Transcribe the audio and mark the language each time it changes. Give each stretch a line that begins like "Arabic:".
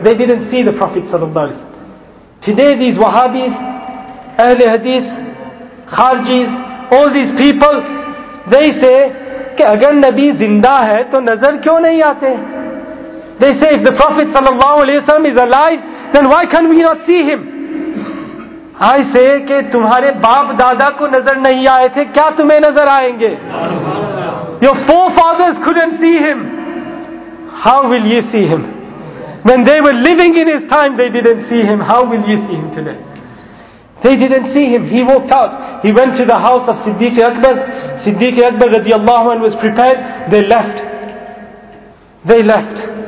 English: They didn't see the Prophet sallallahu alaihi wasallam. Today these Wahhabis, Ahli Hadith, Kharijis, all these people, they say,
Urdu: کہ اگر نبی زندہ ہے، تو نظر کیوں نہیں آتے؟
English: They say, if the Prophet sallallahu alaihi wasallam is alive, then why can we not see him? I say,
Urdu: کہ تمہارے باپ دادا کو نظر نہیں آئے تھے، کیا تمہیں نظر آئیں گے؟
English: Your forefathers couldn't see him. How will you see him? When they were living in his time, they didn't see him. How will you see him today? They didn't see him. He walked out. He went to the house of Siddiq Akbar. Siddiq Akbar radiallahu anhu was prepared. They left.